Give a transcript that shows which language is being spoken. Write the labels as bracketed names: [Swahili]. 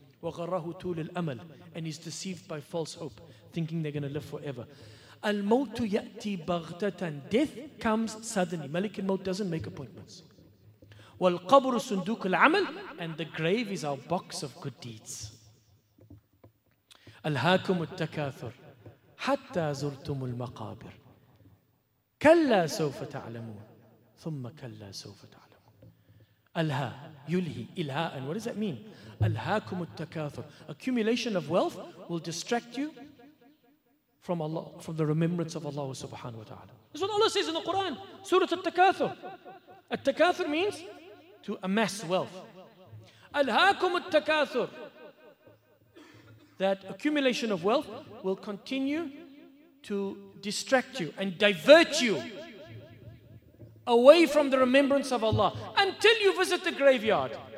[Arabic] وَغَرَّهُ طُولُ الْأَمَلِ. [English] And he's deceived by false hope, thinking they're going to live forever. [Arabic] الْمَوْتُ يَأْتِي بَغْتَةً. [English] Death comes suddenly. Malik al-Mawt doesn't make appointments. [Arabic] وَالْقَبْرُ سُنْدُوكُ الْعَمَلِ [English] And the grave is our box of good deeds. [Arabic] أَلْهَاكُمُ التَّكَاثُرُ حَتَّى زُرْتُمُ الْمَقَابِرُ كَلَّا سَوْفَ تَعْلَمُونَ ثُمَّ كَلَّا سَوْفَ تَعْلَمُونَ الْهَا يُلْهِي إِلْهَاءً [English] What does that mean? [Arabic] أَلْهَاكُمُ التَّكَاثُرُ [English] Accumulation of wealth will distract you from Allah, from the remembrance of Allah subhanahu wa ta'ala. That's what Allah says in the Quran, Surah At-Takathur. At-Takathur means to amass wealth. Al-Hakum At-Takathur. That accumulation of wealth will continue to distract you and divert you away from the remembrance of Allah until you visit the graveyard.